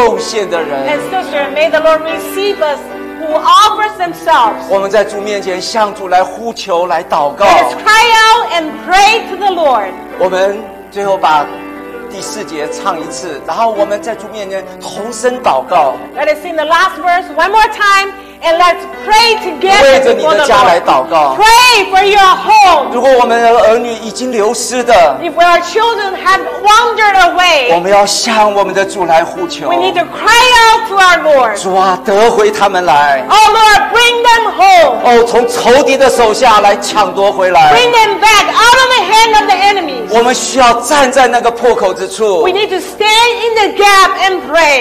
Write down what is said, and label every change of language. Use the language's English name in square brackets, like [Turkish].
[English] sister, may the Lord receive us who offers themselves. [Chinese] 我们在主面前向主来呼求，来祷告。 [English] Let us cry out and pray to the Lord. [Chinese] 我们最后把第四节唱一次，然后我们在主面前同声祷告。 [English] Let us sing the last verse one more time, and let's pray together. [Chinese] 为着你的家来祷告。 [English] Pray for your home. [Chinese] 如果我们的儿女已经流失的。 [English] If our children have wandered away. [Chinese] 我们要向我们的主来呼求。 [English] We need to cry out to our Lord. [Chinese] 主啊，得回他们来。 [English] Oh Lord, bring them home. [Chinese] 哦，从仇敌的手下来抢夺回来。 [English] Bring them back out of the hand of the enemies. [Chinese] 我们需要站在那个破口之处。 [English] We need to stand in the gap and pray.